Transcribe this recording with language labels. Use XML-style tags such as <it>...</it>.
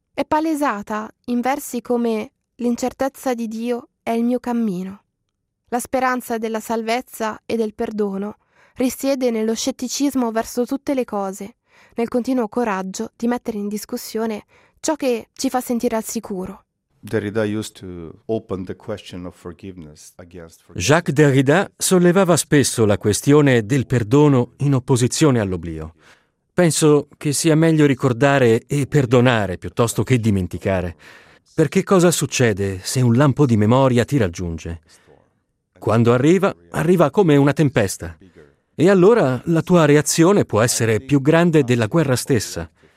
<it>È palesata in versi come «L'incertezza di Dio è il mio cammino». La speranza della salvezza e del perdono risiede nello scetticismo verso tutte le cose, nel continuo coraggio di mettere in discussione ciò che ci fa sentire al sicuro.</it> <en>Derrida used to open the question of forgiveness against forgiveness.</en> <it>Jacques Derrida sollevava spesso la questione del perdono in opposizione all'oblio. Penso che sia meglio ricordare e perdonare piuttosto che dimenticare. Perché cosa succede se un lampo di memoria ti raggiunge? Quando arriva, arriva come una tempesta. E allora la tua reazione può essere più grande della guerra stessa.</it>